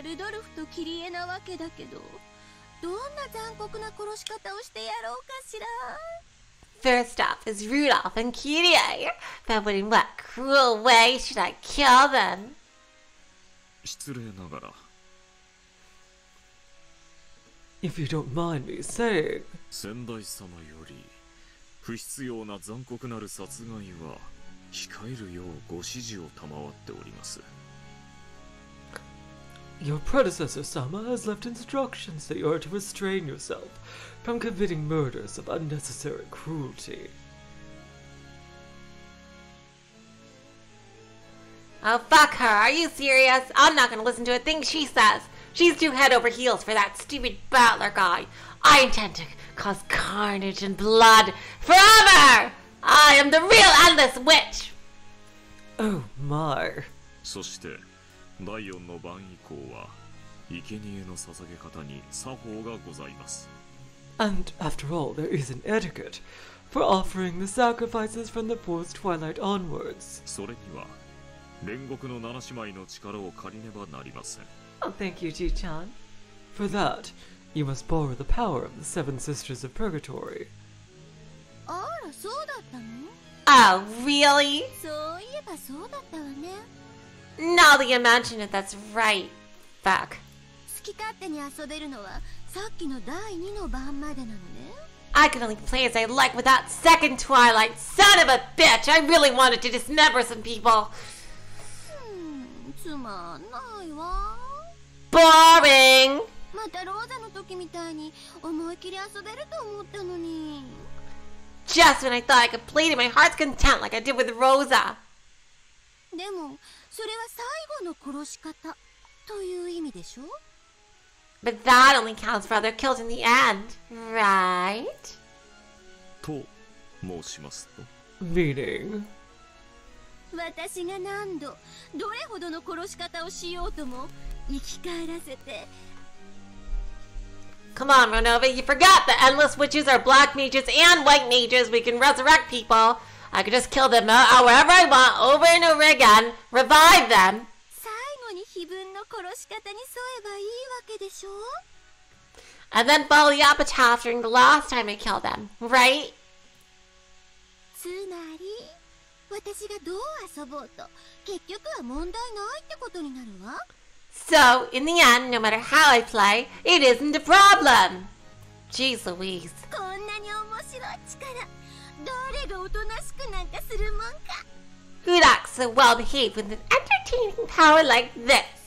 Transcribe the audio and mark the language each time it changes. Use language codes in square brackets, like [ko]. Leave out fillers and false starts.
[ja] ルドルフとキリエなわけだけど、どんな残酷な殺し方をしてやろうかしら。 [en] First up is Rudolph and Kirie. But in what cruel way should I kill them? [ja] 失礼ながら。 [en] If you don't mind me saying, [ja] 先代様より不必要な残酷なる殺害は控えるようご指示を賜っております。 [en] Your predecessor, Sama, has left instructions that you are to restrain yourself from committing murders of unnecessary cruelty. Oh, fuck her! Are you serious? I'm not gonna listen to a thing she says! She's too head over heels for that stupid Battler guy! I intend to cause carnage and blood forever! I am the real Endless Witch! Oh, my. [ja] そして第四の晩以降は生贄の捧げ方に作法がございます。 [en] And after all, there is an etiquette for offering the sacrifices from the fourth twilight onwards. [ja] それには煉獄の七姉妹の力を借りねばなりません。 [en] Oh, thank you, Ji-chan. For that, you must borrow the power of the seven sisters of purgatory. [ja] あら、そうだったの? [en] Oh, really? [ja] そういえばそうだったわね。 [en] Now that you mention it, that's right. Fuck. [ja] 好き勝手に遊べるのはさっきの第二の晩までなのね。 [en] I can only play as I like with that second twilight, son of a bitch! I really wanted to dismember some people! [ja] つまんないわ。 [en] Boring! [ja] またローザの時みたいに思い切り遊べると思ったのに。 [en] Just when I thought I could play to my heart's content like I did with Rosa! [ja] でも、それは最後の殺し方という意味でしょ? [en] But that only counts for other kills in the end, right? [ja] と申しますと。 [en] Meaning? [ja] 私が何度、どれほどの殺し方をしようとも、生き返らせて。 [en] Come on, Ronova, you forgot the endless witches are black mages and white mages. We can resurrect people. I could just kill them wherever I want, over and over again, revive them! [ja] 最後に碑文の殺し方に沿えばいいわけでしょ? [en] And then follow the epitaph during the last time I kill them, right? [ja] つまり、私がどう遊ぼうと、結局は問題ないってことになるわ。 [en] So, in the end, no matter how I play, it isn't a problem! Jeez Louise. [ja] こんなに面白い力。誰がおとなしくなんかするもんか。 [en] Who acts so well behaved with an entertaining power like this?